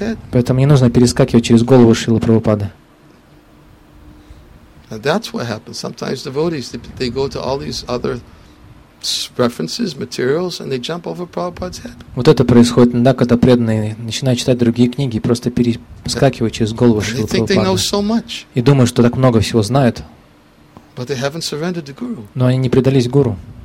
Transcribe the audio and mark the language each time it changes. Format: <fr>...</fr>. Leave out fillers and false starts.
<ru>Поэтому не нужно перескакивать через голову Шрилы Прабхупады.</ru> <en>And that's what happens. Sometimes devotees, they go to all these other references, materials, and they jump over Prabhupada's head.</en> <ru>Вот это происходит, да, когда преданные начинают читать другие книги и просто перескакивают через голову Шрилы Прабхупады.</ru> <en>They think they know so much.</en> <ru>И думают, что так много всего знают.</ru> <en>But they haven't surrendered to Guru.</en> <ru>Но они не предались Гуру.</ru>